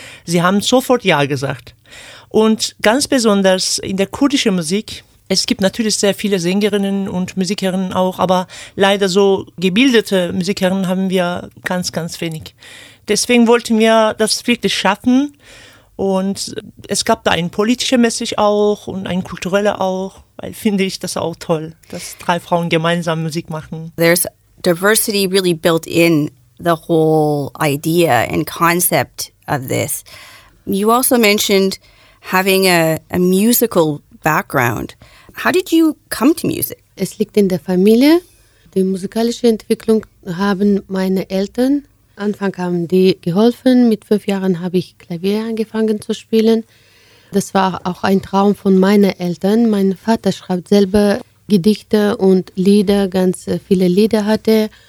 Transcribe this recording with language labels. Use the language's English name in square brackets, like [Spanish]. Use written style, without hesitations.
[German] Sie haben sofort Ja gesagt. Und ganz besonders in der kurdischen Musik, es gibt natürlich sehr viele Sängerinnen und Musikerinnen auch, aber leider so gebildete Musikerinnen haben wir ganz, ganz wenig. Deswegen wollten wir das wirklich schaffen. Und es gab da ein politisches Message auch und ein kulturelles auch, weil finde ich das auch toll, dass drei Frauen gemeinsam Musik machen. [English] There's diversity really built in the whole idea and concept of this. You also mentioned having a musical background. How did you come to music? [German] Es liegt in der Familie. Die musikalische Entwicklung haben meine Eltern. Anfang haben die geholfen. Mit 5 Jahren habe ich Klavier angefangen zu spielen. Das war auch ein Traum von meinen Eltern. Mein Vater schreibt selber Gedichte und Lieder, ganz viele Lieder hatte.